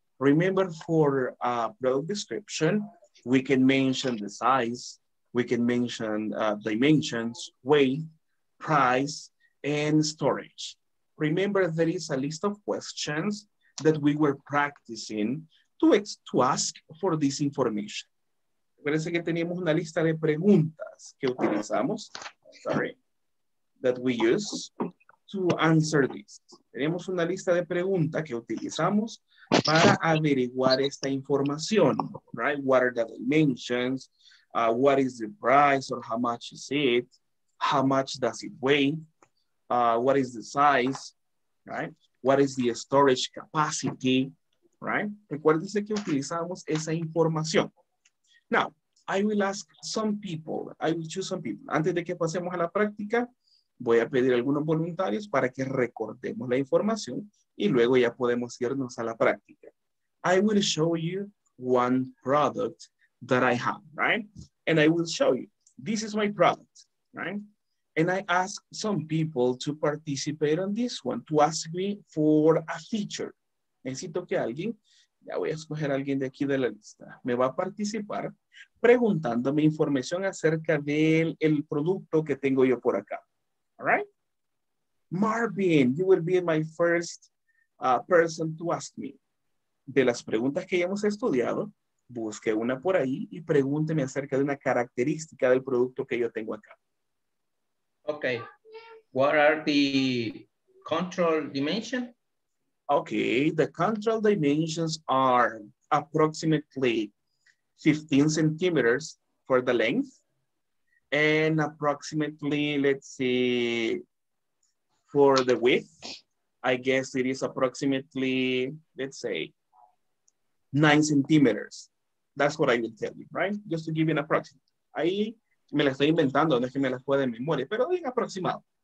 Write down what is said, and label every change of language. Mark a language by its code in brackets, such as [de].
[en] Remember, for a product description, we can mention the size, we can mention dimensions, weight, price, and storage. Remember, there is a list of questions that we were practicing to ask for this information. [es] Parece que teníamos una lista de preguntas que utilizamos. [en] Sorry. That we use to answer this. [es] Tenemos una lista de preguntas que utilizamos para averiguar esta información, [en] right? What are the dimensions? What is the price or how much is it? how much does it weigh? What is the size, right? What is the storage capacity, right? [es] Recuérdese que utilizamos esa información. [en] Now, I will ask some people, I will choose some people. [es] Antes de que pasemos a la práctica, voy a pedir a algunos voluntarios para que recordemos la información y luego ya podemos irnos a la práctica. [en] I will show you one product that I have, right? And I will show you, this is my product, right? And I ask some people to participate on this one, to ask me for a feature. [es] Necesito que alguien, ya voy a escoger a alguien de aquí de la lista, me va a participar preguntándome información acerca del el producto que tengo yo por acá. [en] All right? Marvin, you will be my first person to ask me. [es] De las preguntas que ya hemos estudiado, busque una por ahí y pregúnteme acerca de una característica del producto que yo tengo acá. [en] Okay, what are the control dimensions? Okay, the control dimensions are approximately 15 centimeters for the length and approximately, let's see, for the width, I guess it is approximately, let's say, 9 centimeters. That's what I will tell you, right? Just to give you an approximate. [es] Ahí me la estoy inventando, no es que me la pueda en memoria, pero bien aproximado.